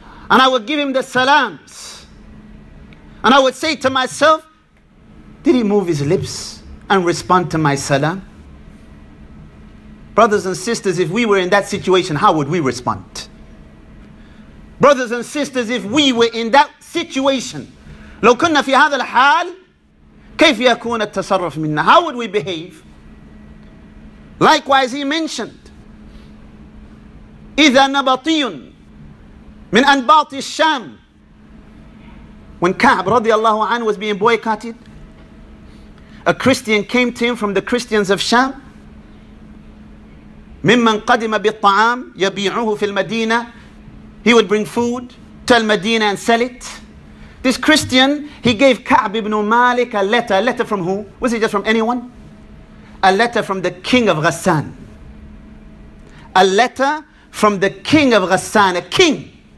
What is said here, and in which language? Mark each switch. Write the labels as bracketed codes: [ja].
[en] And I would give him the salams. And I would say to myself, did he move his lips and respond to my salam? Brothers and sisters, if we were in that situation, how would we respond? Brothers and sisters, if we were in that situation, [ar] لو كنا في هذا الحال, كيف يكون التصرف منا? [en] How would we behave? Likewise, he mentioned, [ar] إذا نبطي من أنباط الشام. [en] When Ka'b رضي الله عنه was being boycotted, a Christian came to him from the Christians of Sham. [ar] ممن قدم بالطعام يبيعه في المدينة. [en] He would bring food to المدينة and sell it. This Christian, he gave Ka'b ibn Malik a letter. A letter from who? Was it just from anyone? A letter from the king of Ghassan. A letter from the king of Ghassan, a king.